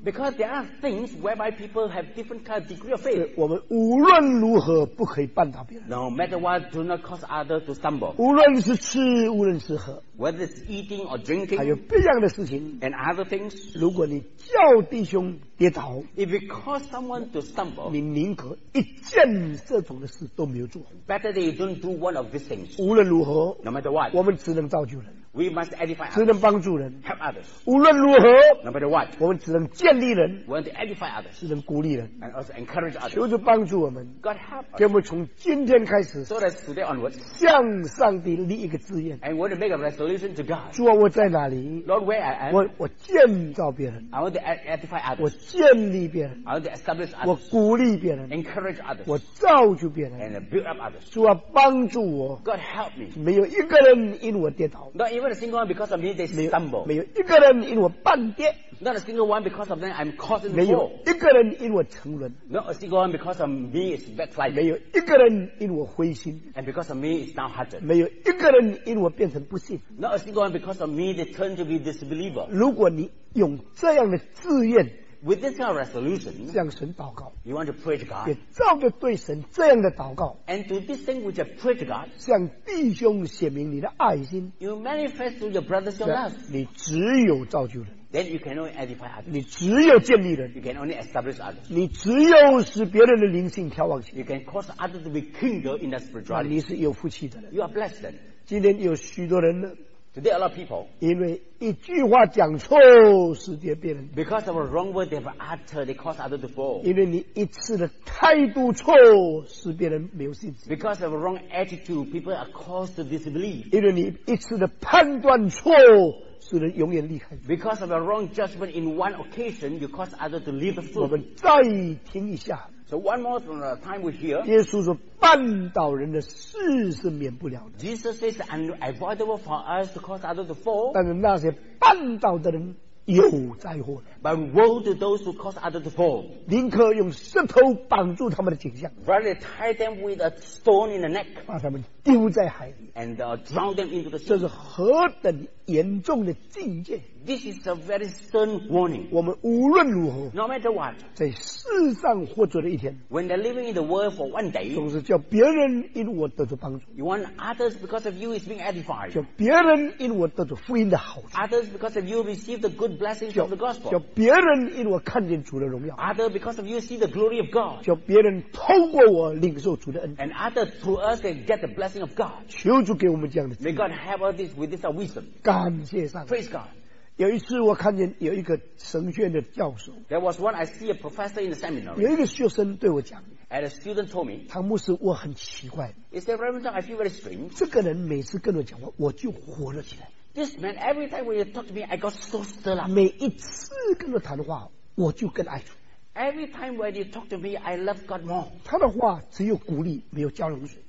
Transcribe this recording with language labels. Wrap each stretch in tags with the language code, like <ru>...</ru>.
<en>Because there are things whereby people have different kind of degree of faith.</en> <zh>我们无论如何不可以绊倒别人。</zh> <en>No matter what, do not cause others to stumble.</en> <zh>无论是吃，无论是喝。</zh> <en>Whether it's eating or drinking.</en> <zh>还有别样的事情。</zh> <en>And other things.</en> <zh>如果你叫弟兄跌倒，</zh> <en>if you cause someone to stumble,</en> <zh>你宁可一件这种的事都没有做。</zh> <en>Better that you don't do one of these things.</en> <zh>无论如何，</zh> <en>no matter what,</en> <zh>我们只能造就人。</zh> <en>We must edify others.</en> <zh>只能帮助人。</zh> <en>Help others.</en> <zh>无论如何，</zh> <en>no matter what,</en> <zh>我们只能建立人。</zh> <en>We want to edify others.</en> <zh>只能鼓励人。</zh> <en>And also encourage others.</en> <zh>求主帮助我们。</zh> <en>God help us.</en> <zh>给我们从今天开始，</zh> <en>so that's today onwards,</en> <zh>向上帝立一个志愿。</zh> <en>And we want to make a resolution to God.</en> <zh>主啊，我在哪里？</zh> <en>Lord, where I am.</en> <zh>我建造别人。</zh> <en>I want to edify others.</en> <zh>我建立别人。</zh> <en>I want to establish others.</en> <zh>我鼓励别人。</zh> <en>Encourage others.</en> <zh>我造就别人。</zh> <en>And build up others.</en> <zh>主啊，帮助我。</zh> <en>God help me.</en> <zh>没有一个人因我跌倒。</zh> <en>Not even a single one because of me they stumble.</en> <zh>没有一个人因我半跌。</zh> <en>Not a single one because of them I'm causing the fall.</en> <zh>没有一个人因我沉沦。</zh> <en>Not a single one because of me is backsliding.</en> <zh>没有一个人因我灰心。</zh> <en>And because of me is downhearted.</en> <zh>没有一个人因我变成不信。</zh> <en>Not a single one because of me they turn to be disbeliever.</en> <zh>如果你用这样的志愿，</zh> <en>with this kind of resolution,</en> <zh>向神祷告，</zh> <en>you want to pray to God.</en> <zh>也照着对神这样的祷告，</zh> <en>and do this thing which you pray to God.</en> <zh>向弟兄显明你的爱心，</zh> <en>you manifest to your brothers your love.</en> <zh>你只有造就人，</zh> <en>then you can only edify others.</en> <zh>你只有建立人，</zh> <en>you can only establish others.</en> <zh>你只有使别人的灵性眺望起，</zh> <en>you can cause others to be kindled in their spirituality.</en> <zh>你是有福气的人，</zh> <en>you are blessed then.</en> <zh>今天有许多人呢，</zh> <en>today a lot of people,</en> <zh>因为一句话讲错使得别人，</zh> <en>because of a wrong word they have uttered, they cause others to fall.</en> <zh>因为你一次的态度错使别人没有信心，</zh> <en>because of a wrong attitude people are caused to disbelieve.</en> <zh>因为你一次的判断错使人永远离开，</zh> <en>because of a wrong judgment in one occasion you cause others to leave the fool.</en> <zh>我们再听一下，</zh> <en>so one more time we hear.</en> <zh>耶稣说绊倒人的事是免不了的，</zh> <en>Jesus says unavoidable for us to cause others to fall.</en> <zh>但是那些绊倒的人有灾祸，</zh> <en>but woe to those who cause others to fall.</en> <zh>宁可用石头绑住他们的颈项，</zh> <en>rather tie them with a stone in the neck,</en> <zh>把他们丢在海里。</zh> <en>And drown them into the sea.</en> <zh>这是何等严重的境界。</zh> <en>This is a very stern warning.</en> <zh>我们无论如何</zh> <en>No matter what.</en> <zh>在世上活着的一天</zh> <en>When they're living in the world for one day.</en> <zh>总是叫别人因我得着帮助</zh> <en>You want others because of you is being edified.</en> <zh>叫别人因我得着福音的好处</zh> <en>Others because of you receive the good blessings of the gospel.</en> <zh>叫别人因我看见主的荣耀</zh> <en>Others because of you see the glory of God.</en> <zh>叫别人透过我领受主的恩</zh> <en>And others through us they get the blessing of God.</en> <zh>求主给我们这样的</zh> <en>May God have all this with this wisdom.</en> <zh>感谢上</zh> <en>Praise God.</en> <zh>有一次我看见有一个神学院的教授</zh> <en>There was one I see a professor in the seminar</en> <zh>有一个学生对我讲</zh> <en>And a student told me</en> <zh>唐牧师我很奇怪</zh> <en>Is that Reverend John? I feel very strange</en> <zh>这个人每次跟我讲话我就活了起来</zh> <en>This man every time when he talked to me I got so stirred up</en> <zh>每一次跟他谈话我就更爱主</zh> <en>Every time when he talked to me I love God more</en> <zh>他的话只有鼓励没有浇冷水</zh>